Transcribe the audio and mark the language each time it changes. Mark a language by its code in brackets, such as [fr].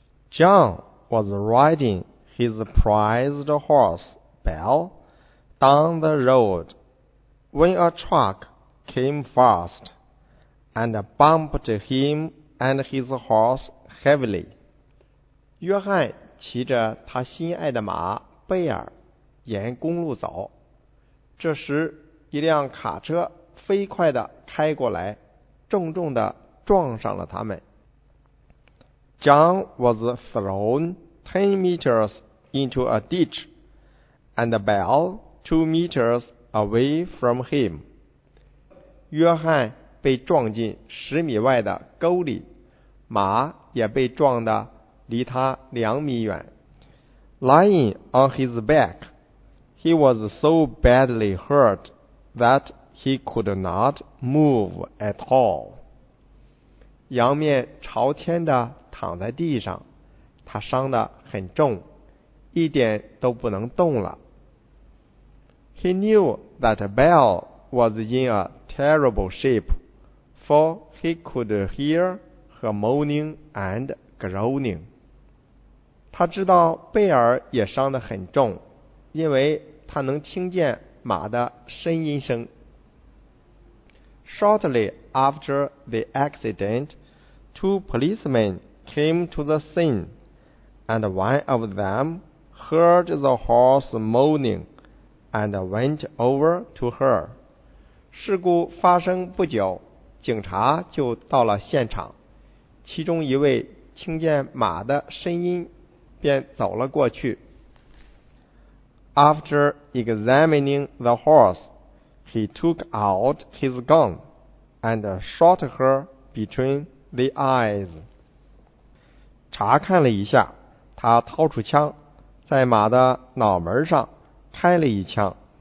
[en] John was riding his prized horse, Belle, down the road when a truck came fast and bumped him and his horse heavily. [zh] 约翰骑着他心爱的马贝尔沿公路走，这时一辆卡车飞快地开过来，重重地撞上了他们。 [en] John was thrown 10 meters into a ditch and Belle 2 meters away from him. [zh] 约翰被撞进十米外的沟里，马也被撞得离他两米远。 [en] Lying on his back, he was so badly hurt that he could not move at all. [zh] 仰面朝天的躺在地上，他伤得很重，一点都不能动了。 [en] He knew that Belle was in a terrible shape, for he could hear her moaning and groaning. [zh] 他知道贝尔也伤得很重，因为他能听见马的呻吟声。 [en] Shortly after the accident, two policemen came to the scene, and one of them heard the horse moaning and went over to her. [zh] 事故发生不久，警察就到了现场，其中一位听见马的声音便走了过去。 [en] After examining the horse, he took out his gun and shot her between the eyes. [zh] 查看了一下，他掏出枪，在马的脑门上开了一枪。